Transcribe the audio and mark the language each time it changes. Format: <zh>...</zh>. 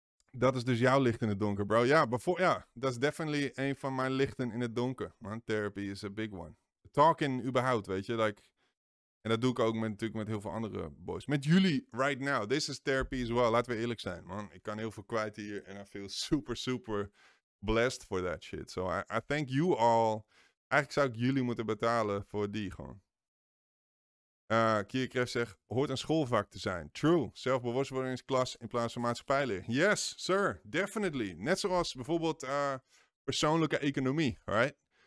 <nl>Dat is dus jouw licht in het donker, bro. Ja, dat is definitely een van mijn lichten in het donker. Man,</nl> <en>therapy is a big one.</en> <nl>Talking überhaupt, weet je. Like, en dat doe ik ook natuurlijk met heel veel andere boys. Met jullie,</nl> <en>right now. This is therapy as well.</en> <nl>Laten we eerlijk zijn,</nl> <en>man.</en> <nl>Ik kan heel veel kwijt hier.</nl> <en>En I feel super, super blessed for that shit. So I thank you all.</en> <nl>Eigenlijk zou ik jullie moeten betalen voor die gewoon. Kierkreft zegt, hoort een schoolvak te zijn. True, zelfbewustwordingsklas in plaats van maatschappijleer.</nl> <en>Yes, sir, definitely.</en> <nl>Net zoals bijvoorbeeld persoonlijke economie, right?</nl>